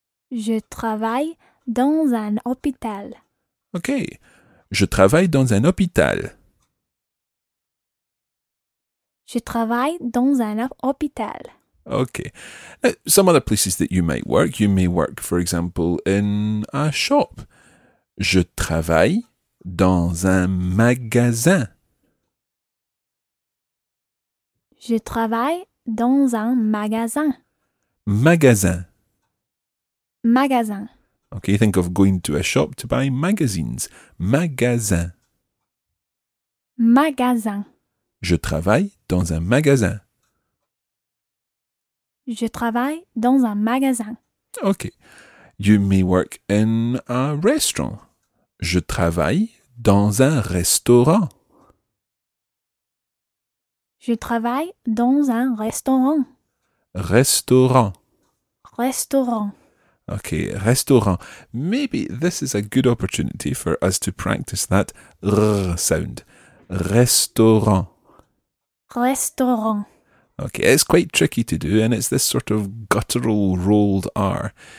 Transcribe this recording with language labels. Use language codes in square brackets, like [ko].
[fr] Je travaille dans un hôpital. [en] Okay. [fr] Je travaille dans un hôpital. Je travaille dans un hôpital. [en] Okay. Some other places that you might work, you may work, for example, in a shop. [fr] Je travaille dans un magasin. Je travaille dans un magasin. Magasin. Magasin. [en] Okay, think of going to a shop to buy magazines. [fr] Magasin. Magasin. Je travaille dans un magasin. Je travaille dans un magasin. [en] Okay. You may work in a restaurant. [fr] Je travaille dans un restaurant. Je travaille dans un restaurant. Restaurant. Restaurant. [en] Okay, restaurant. Maybe this is a good opportunity for us to practice that r sound. [fr] Restaurant. Restaurant. [en] Okay, it's quite tricky to do and it's this sort of guttural rolled R.